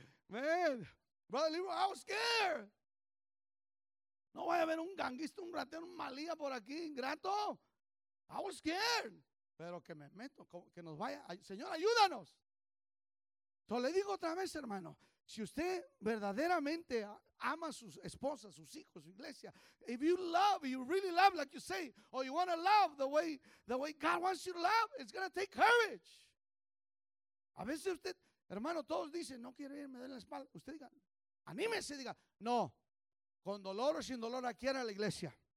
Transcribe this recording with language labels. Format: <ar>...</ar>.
<en>Man, brother, I was scared.</en> <es>No vaya a haber un ganguista, un ratero, un malía por aquí, ingrato.</es> <en>I was scared.</en> <es>Pero que me meto, que nos vaya. Señor, ayúdanos. Entonces le digo otra vez, hermano. Si usted verdaderamente ama a sus esposas, sus hijos, su iglesia.</es> <en>If you love, you really love like you say. Or you want to love the way God wants you to love. It's going to take courage.</en> <es>A veces usted, hermano, todos dicen, no quiero irme de la espalda. Usted diga, anímese, diga, no. Con dolor o sin dolor, aquí era la iglesia.</es>